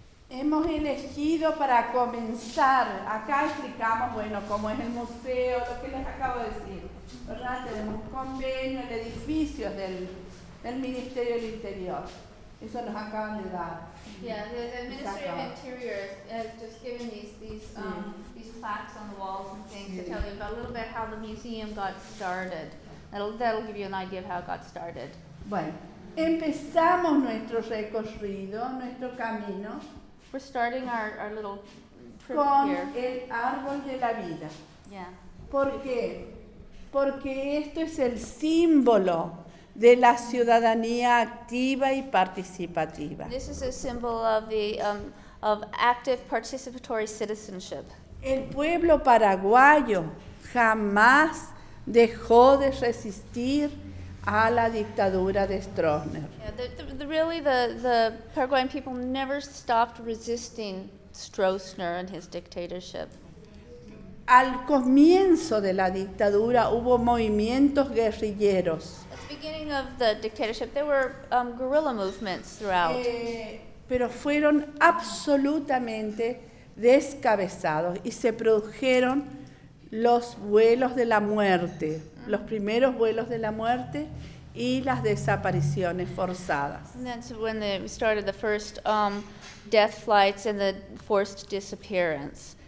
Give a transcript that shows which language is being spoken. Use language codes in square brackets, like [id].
[es] Hemos elegido para comenzar, acá explicamos, bueno, cómo es el museo, lo que les acabo de decir, ¿verdad? Tenemos convenio, el edificio del Ministerio del Interior. Eso nos acaban de dar. [en] Yeah, the Ministry of Interior has just given these plaques on the walls and things, [es] sí. [en] To tell you about a little bit how the museum got started. That'll give you an idea of how it got started. [es] Bueno, empezamos nuestro recorrido, nuestro camino. [en] We're starting our little trip [es] con [en] here. [es] Con el árbol de la vida. [en] Yeah. [es] ¿Por qué? Porque esto es el símbolo de la ciudadanía activa y participativa. [en] This is a symbol of the of active participatory citizenship. [es] El pueblo paraguayo jamás dejó de resistir a la dictadura de Stroessner. [en] Yeah, the Paraguayan people never stopped resisting Stroessner and his dictatorship. [es] Al comienzo de la dictadura hubo movimientos guerrilleros. [en] At the beginning of the dictatorship, there were guerrilla movements throughout. [es] Pero fueron absolutamente descabezados y se produjeron los vuelos de la muerte, los primeros vuelos de la muerte y las desapariciones forzadas. [en] And that's when they started the first death flights and the forced disappearance.